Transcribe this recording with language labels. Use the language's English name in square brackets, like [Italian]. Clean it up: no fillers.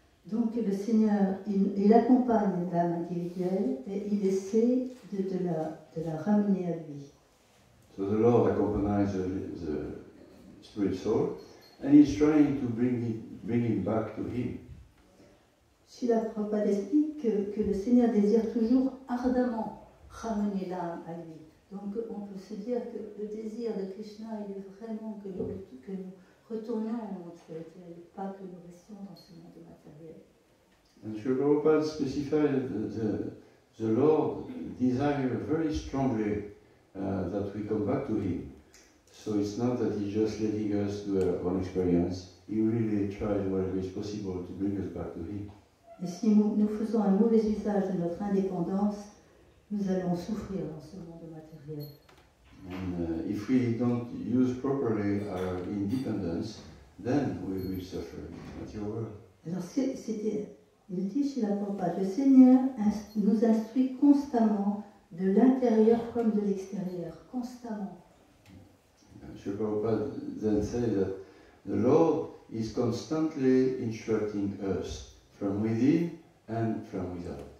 [French] Donc le Seigneur, il accompagne l'âme individuelle et il essaie de la ramener à lui. [English] So the Lord accompanies the spirit soul and he's trying to bring him back to him. [French] Srila Prabhupada explique que le Seigneur désire toujours ardemment ramener l'âme à lui. Donc on peut se dire que le désir de Krishna il est vraiment que nous retournons au monde spirituel, pas que nous restions dans ce monde matériel. [English] And Srila Prabhupada specified the Lord desire very strongly that we come back to him. So it's not that he's just letting us do our own experience. He really tries whatever is possible to bring us back to him. [French] Et si nous faisons un mauvais usage de notre indépendance, nous allons souffrir dans ce monde matériel. [English] And if we don't use properly our independence, then we will suffer in the material world. [French] Alors c'était, il dit chez la Prabhupada, le Seigneur nous instruit constamment de l'intérieur comme de l'extérieur, constamment. [English] Sri Prabhupada then said that the Lord is constantly instructing us from within and from without.